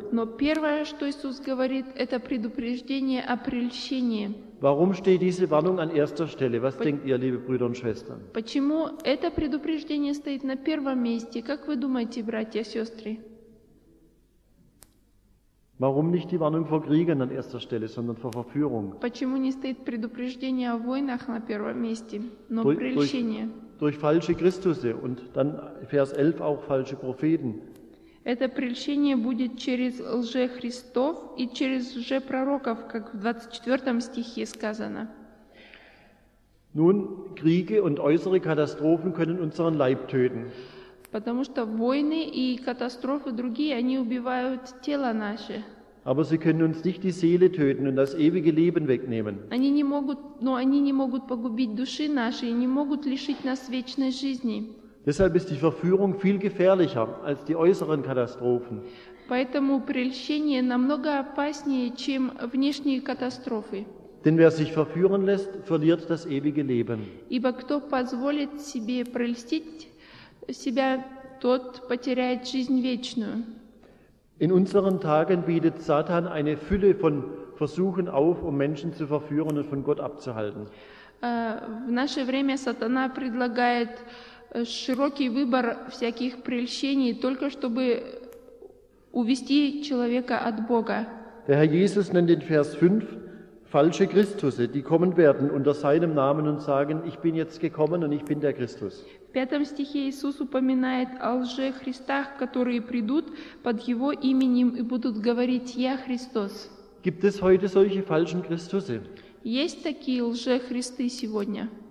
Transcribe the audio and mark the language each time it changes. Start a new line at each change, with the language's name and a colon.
Russian: Но первое, что Иисус говорит, это предупреждение о прельщении.
German: Warum steht diese Warnung an erster Stelle? Was denkt ihr, liebe Brüder und Schwestern?
Russian: Почему это предупреждение стоит на первом месте? Как вы думаете, братья и сестры?
German: Warum nicht die Warnung vor Kriegen an erster Stelle, sondern vor Verführung?
Russian: Почему не стоит предупреждение о войнах на первом месте, но прельщение?
German: Durch falsche Christusse und dann Vers 11 auch falsche Propheten.
Russian: Это прельщение будет через лжехристов и через лжепророков, как в 24 стихе сказано.
German: Nun, Kriege und äußere Katastrophen können unseren Leib töten.
Russian: Потому что войны и катастрофы другие, они убивают тело наше.
German: Aber sie können uns nicht die Seele töten und das ewige Leben wegnehmen.
Russian: Они не могут, но они не могут погубить души наши и не могут лишить нас вечной жизни.
German: Deshalb ist die Verführung viel gefährlicher als die äußeren Katastrophen.
Russian: Поэтому прельщение намного опаснее, чем внешние катастрофы.
German: Denn wer sich verführen lässt, verliert das ewige Leben.
Russian: Ибо кто позволит себе прельстить себя, тот потеряет жизнь вечную.
German: In unseren Tagen bietet Satan eine Fülle von Versuchen auf, um Menschen zu verführen und von Gott abzuhalten.
Russian: В наше время Сатана предлагает широкий выбор всяких прельщений, только чтобы увести человека от Бога.
German: Der Herr Jesus nennt in Vers 5 falsche Christusse, die kommen werden unter seinem Namen und sagen, ich bin jetzt gekommen und ich bin der Christus.
Russian: В 5 стихе Иисус упоминает о лжехристах, которые придут под Его именем и будут говорить «Я Христос».
German: Gibt es heute solche falschen Christusse?
Russian: Есть такие лжехристы сегодня?